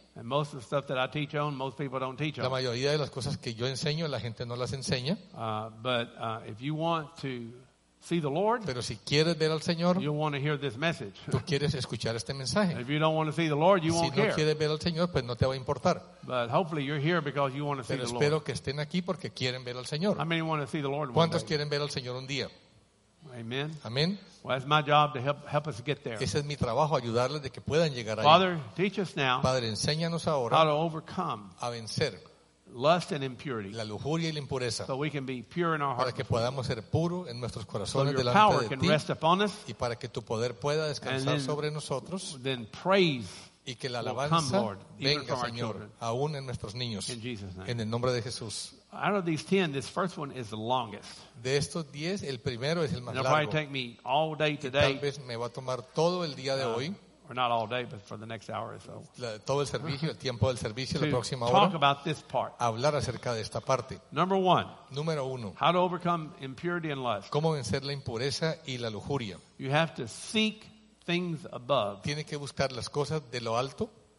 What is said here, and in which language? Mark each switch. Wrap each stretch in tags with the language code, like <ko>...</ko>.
<en>And most of the stuff that I teach on, most people don't teach on.</en> <es>La mayoría de las cosas que yo enseño, la gente no las enseña.</es> <en>If you want to see the Lord,</en> <es>pero si quieres ver al Señor,</es> <en>you want to hear this message.</en> <es>Tú quieres escuchar este mensaje.</es> <en>If you don't want to see the Lord, you</en> <es>si</es> <en>won't care.</en> <es>Si no quieres ver al Señor, pues no te va a importar.</es> <en>But hopefully you're here because you want to</en> <es>pero</es> <en>see the Lord.</en> <es>Pero espero que estén aquí porque quieren ver al Señor.</es> <en>How many want to see the Lord?</en> <es>¿Cuántos quieren ver al Señor un día?</es> <en>Amen.</en> <es>Amen.</es> <en>Well, it's my job to help us get there.</en> <es>Ese es mi trabajo, ayudarles de que puedan llegar ahí.</es> <en>Father, teach us now.</en> <es>Padre, enséñanos ahora</es> <en>how to overcome</en> <es>a vencer</es> <en>lust and impurity.</en> <es>La lujuria y la impureza.</es> <en>So we can be pure in our hearts.</en> <es>Para que podamos ser puros en nuestros corazones</es> <en>so</en> <es>delante de ti.</es> <en>So your power can rest upon us.</en> <es>Y para que tu poder pueda descansar</es> <en>then,</en> <es>sobre nosotros.</es> <en>Then praise</en> <es>y que la alabanza</es> <en>will come, Lord,</en> <es>venga, Señor, aún en nuestros niños.</es> <en>In Jesus' name.</en> <es>En el nombre de Jesús.</es> <en>Out of these 10, this first one is the longest.</en> <es>De estos 10, el primero es el más largo.</es> <en>It'll probably take me all day today.</en> <es>Tal vez me va a tomar todo el día de hoy.</es> <en>Or not all day, but for the next hour or so.</en> <es>Todo el servicio, el tiempo del servicio, la próxima hora.</es> <en>To talk about this part.</en> <es>Hablar acerca de esta parte.</es> <en>Number one.</en> <es>Número uno.</es> <en>How to overcome impurity and lust.</en> <es>Cómo vencer la impureza y la lujuria.</es> <en>You have to seek things above.</en> <es>Tiene que buscar las cosas de lo alto.</es>